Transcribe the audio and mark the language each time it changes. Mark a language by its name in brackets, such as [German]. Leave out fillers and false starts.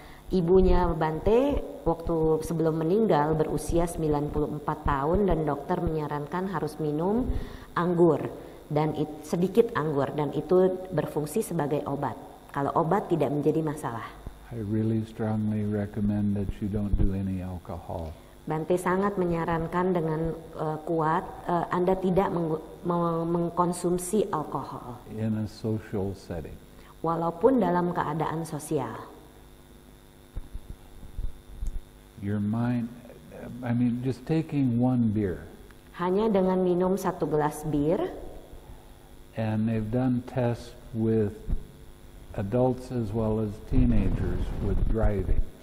[Indonesian] Ibunya Bante waktu sebelum meninggal berusia 94 tahun dan dokter menyarankan harus minum anggur dan sedikit anggur dan itu berfungsi sebagai obat. Kalau obat tidak menjadi masalah. [English] I really strongly recommend that you don't do any alcohol. [Indonesian] Bante sangat menyarankan dengan kuat Anda tidak mengkonsumsi alkohol. [English] In a social setting. [Indonesian] Walaupun dalam keadaan sosial. [English] Your mind, I mean, just taking one beer. [Indonesian] Hanya dengan minum satu gelas bir. [English] And they've done tests with adults as well as teenagers with driving.